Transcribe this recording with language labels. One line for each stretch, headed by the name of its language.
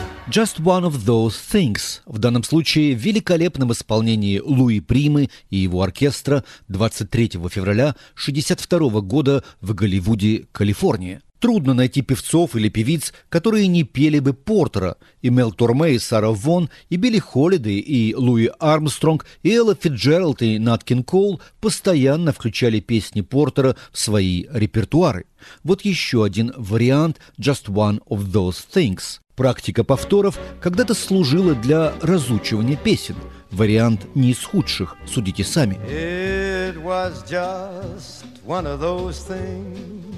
English: Just One of Those Things.
Russian: В данном случае в великолепном исполнении Луи Примы и его оркестра 23 февраля 1962 года в Голливуде, Калифорния. Трудно найти певцов или певиц, которые не пели бы Портера. И Мел Торме, и Сара Вон, и Билли Холидей, и Луи Армстронг, и Элла Фицджеральд, и Нат Кинг Коул постоянно включали песни Портера в свои репертуары. Вот еще один вариант Just One of Those Things. Практика повторов когда-то служила для разучивания песен. Вариант не из худших, судите сами.
English: It was just one of those things.